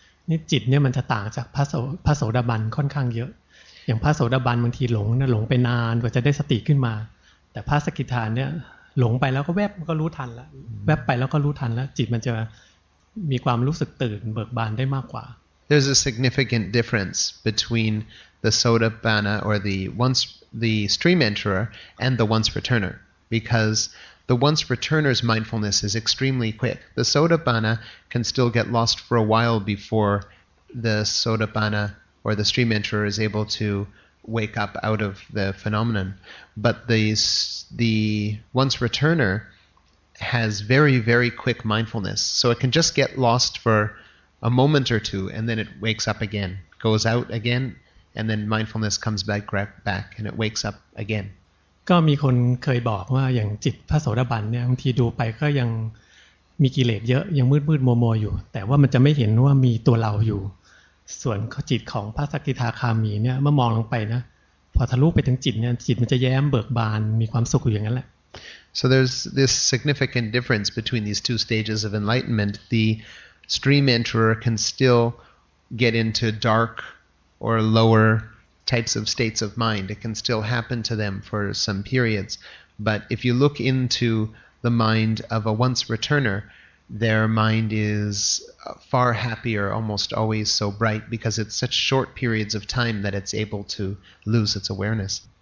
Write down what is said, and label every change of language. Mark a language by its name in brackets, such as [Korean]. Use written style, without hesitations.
[Thai] นี่จิตเนี่ยมันจะต่างจากพระโสดาบันค่อนข้างเยอะอย่างพระโสดาบันบางทีหลงนะหลงไปนานกว่าจะได้สติขึ้นมาแต่พระสกิทาเนี่ยหลงไปแล้วก็แวบก็รู้ทันแล้วแวบไปแล้วก็รู้ทันแล้วจิตมันจะมีความรู้สึกตื่นเบิกบานได้มากกว่า [English] There's a significant difference between the Sotapanna or the stream enterer and the once returner because the once returner's mindfulness is extremely quick. The Sotapanna can still get lost for a while before the Sotapanna or the stream enterer is able to wake up out of the phenomenon. But the once returner has very, very quick mindfulness. So it can just get lost for a moment or two and then it wakes up again, goes out again, and then mindfulness comes back and it wakes up again. [Thai] ก็มีคนเคยบอกว่าอย่างจิตพระโสดาบันเนี่ยบางทีดูไปก็ยังมีกิเลสเยอะยังมืดๆมัวๆอยู่แต่ว่ามันจะไม่เห็นว่ามีตัวเราอยู่ส่วนจิตของพระสกิทาคามีเนี่ยเมื่อมองลงไปนะพอทะลุไปถึงจิตเนี่ยจิตมันจะแย้มเบิกบานมีความสุขอย่างนั้นแหละ [English] So there's this significant difference between these two stages of enlightenment. The stream enterer can still get into darkor lower types of states of mind. It can still happen to them for some periods. But if you look into the mind of a once returner, their mind is far happier, almost always so bright, because it's such short periods of time that it's able to lose its awareness.